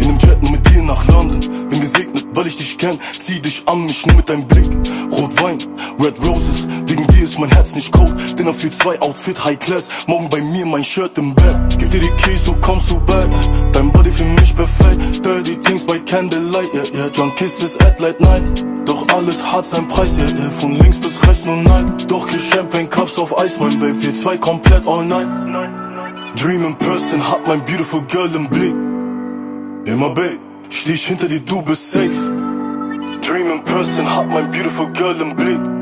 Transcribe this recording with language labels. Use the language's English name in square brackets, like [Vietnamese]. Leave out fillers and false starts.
[German] In einem Jet nur mit dir nach London. Bin gesegnet, weil ich dich kenn. Zieh dich an mich nur mit deinem Blick. Rotwein, [English] Red Roses. [German] Wegen dir ist mein Herz nicht cold. Dinner für zwei, Outfit high class. Morgen bei mir mein Shirt im Bett. Gib dir die Keys, so kommst du back. Dein Body für mich perfekt. [English] Dirty things by candlelight, yeah, yeah. Drunk kisses at late night. [German] Doch alles hat seinen Preis, yeah, yeah. Von links bis rechts nur nein. Doch kein Champagne, Cups auf Eis, mein Babe. Wir zwei komplett [English] all night. Dream in person, [German] hat mein beautiful girl im Blick. Immer babe, steh ich hinter dir, du bist safe. [English] Dream in person, [German] hat mein beautiful girl im Blick.